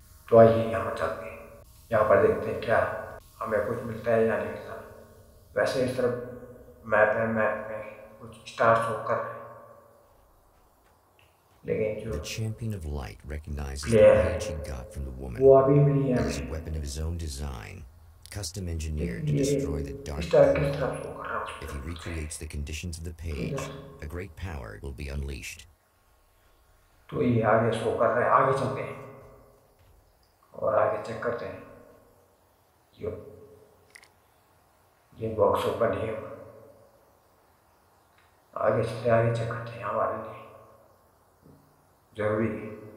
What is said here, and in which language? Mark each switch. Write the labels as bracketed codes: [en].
[hi] तो आइए यहाँ चलते हैं, यहाँ पर देखते हैं क्या हमें कुछ मिलता है या नहीं मिलता। वैसे इस तरफ मैप है, मैप में कुछ स्टार्स शो कर रहे हैं, लेकिन जो [en] The champion of light recognizes the page he got from the woman. [hi] वो अभी भी नहीं है। [en] It is a weapon of his own design, custom engineered to destroy the dark world. If he recreates the conditions of the page, a great power will be unleashed. [hi] तो ये आगे show कर रहे हैं, आगे चलते हैं। और आगे चेक करते हैं यो ये बॉक्स ओपन है आगे चलते आगे चेक करते हैं यहाँ वाले नहीं जरूरी है